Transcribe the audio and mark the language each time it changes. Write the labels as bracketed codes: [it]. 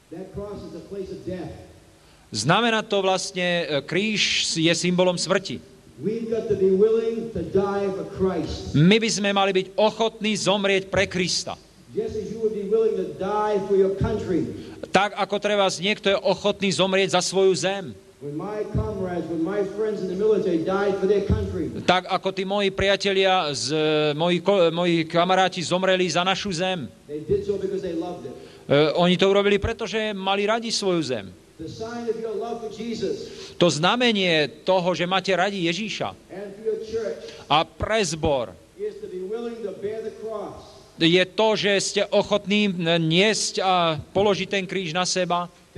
[en] That cross is a place of death. [sk] Znamená to vlastne, kríž je symbolom smrti. [en] We've got to be willing to die for Christ. [sk] My by sme mali byť ochotní zomrieť pre Krista. [en] Just as you would be willing to die for your country. [sk] Tak ako treba niekto je ochotný zomrieť za svoju zem. [en] When my comrades, when my friends in the military died for their country. [sk] Tak ako tí moji priatelia z moji kamaráti zomreli za našu zem. [en] They did so because they loved it. [sk] Oni to urobili, pretože mali radi svoju zem. [en] The sign of your love for Jesus. [sk] To znamenie toho, že máte radi Ježíša. [en] And for your church. [sk] A pre zbor. [en] Is to be willing to bear the cross. [sk] Je to, že ste ochotní niesť a položiť ten kríž na seba.